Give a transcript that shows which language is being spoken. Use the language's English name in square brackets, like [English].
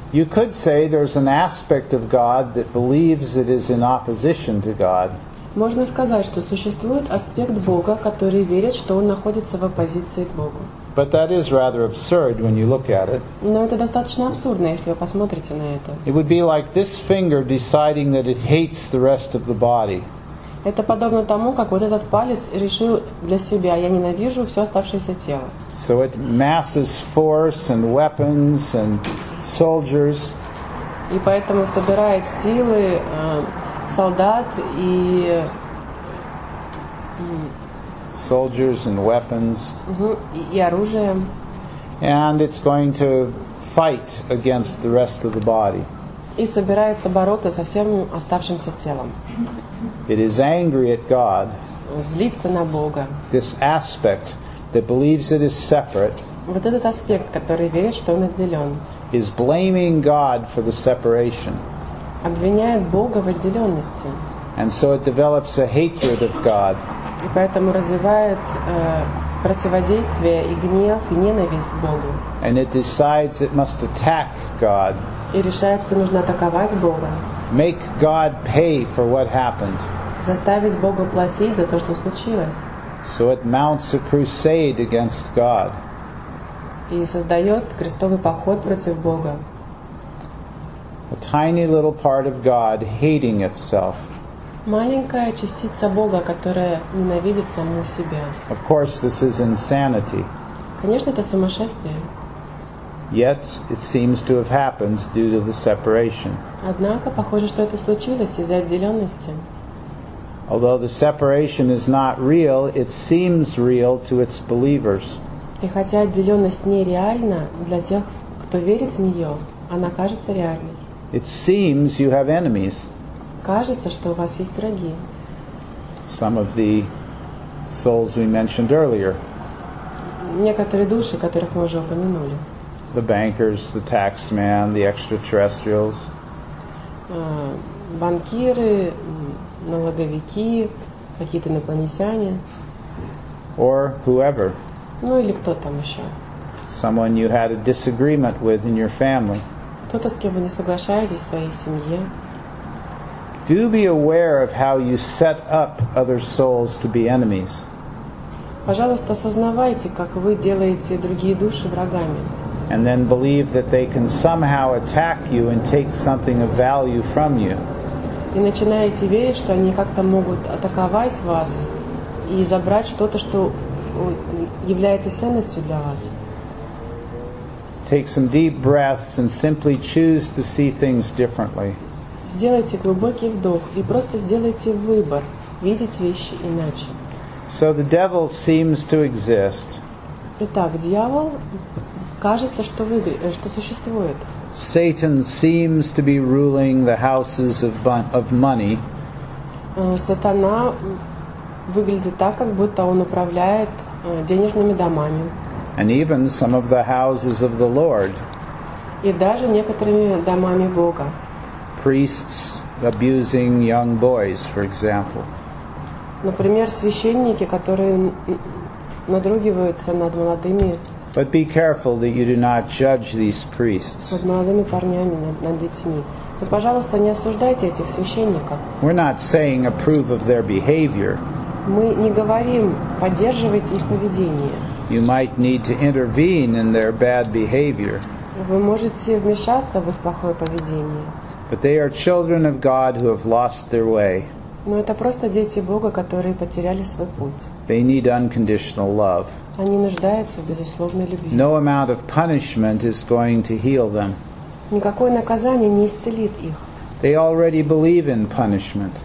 [English] You could say there's an aspect of God that believes it is in opposition to God. [Russian] Можно сказать, что существует аспект Бога, который верит, что он находится в оппозиции к Богу. [English] But that is rather absurd when you look at it. [Russian] Но это достаточно абсурдно, если вы посмотрите на это. [English] It would be like this finger deciding that it hates the rest of the body. [Russian] Это подобно тому, как вот этот палец решил для себя: я ненавижу все оставшееся тело. [English] So it masses force and weapons and soldiers. [Russian] И поэтому собирает силы, солдат и [English] soldiers and weapons. [Russian] И оружие. [English] And it's going to fight against the rest of the body. [Russian] И собирается бороться со всем оставшимся телом. [English] It is angry at God. [Russian] Злится на Бога. [English] This aspect that believes it is separate. [Russian] Вот этот аспект, который верит, что он отделен. [English] Is blaming God for the separation. [Russian] Обвиняет Бога в отделенности. [English] And so it develops a hatred of God. [Russian] И поэтому развивает противодействие и гнев и ненависть к Богу. [English] And it decides it must attack God. [Russian] И решает, что нужно атаковать Бога. [English] Make God pay for what happened. [Russian] Заставить Бога платить за то, что случилось. [English] So it mounts a crusade against God. [Russian] И создает крестовый поход против Бога. [English] A tiny little part of God hating itself. [Russian] Маленькая частица Бога, которая ненавидит саму себя. [English] Of course, this is insanity. [Russian] Конечно, это сумасшествие. [English] Yet it seems to have happened due to the separation. [Russian] Однако похоже, что это случилось из-за отделенности. [English] Although the separation is not real, it seems real to its believers. [Russian] И хотя отделенность не реальна для тех, кто верит в нее, она кажется реальной. [English] It seems you have enemies. [Russian] Кажется, что у вас есть враги. [English] Some of the souls we mentioned earlier. [Russian] Некоторые души, которых мы уже упомянули. [English] The bankers, the taxman, the extraterrestrials. [Russian] Банкиры, налоговики, какие-то инопланетяне. [English] Or whoever. [Russian] Ну или кто там еще. [English] Someone you had a disagreement with in your family. [Russian] Кто-то, с кем вы не соглашаетесь в своей семье. [English] Do be aware of how you set up other souls to be enemies. [Russian] Пожалуйста, осознавайте, как вы делаете другие души врагами. [English] And then believe that they can somehow attack you and take something of value from you. [Russian] И начинаете верить, что они как-то могут атаковать вас и забрать что-то, что является ценностью для вас. [English] Take some deep breaths and simply choose to see things differently. [Russian] Сделайте глубокий вдох и просто сделайте выбор видеть вещи иначе. [English] So the devil seems to exist. [Russian] Итак, дьявол кажется, что что существует. [English] Satan seems to be ruling the houses of money. [Russian] Сатана выглядит так, как будто он управляет денежными домами. [English] And even some of the houses of the Lord. [Russian] И даже некоторыми домами Бога. [English] Priests abusing young boys, for example. [Russian] Например, священники, которые надругиваются над молодыми. [English] But be careful that you do not judge these priests. [Russian] Над молодыми парнями, над детьми. Но, пожалуйста, не осуждайте этих священников. [English] We're not saying approve of their behavior. [Russian] Мы не говорим, поддерживайте их поведение. [English] You might need to intervene in their bad behavior. [Russian] Вы можете вмешаться в их плохое поведение. [English] But they are children of God who have lost their way. [Russian] Но это просто дети Бога, которые потеряли свой путь. [English] They need unconditional love. [Russian] Они нуждаются в безусловной любви. [English] No amount of punishment is going to heal them. [Russian] Никакое наказание не исцелит их. [English] They already believe in punishment.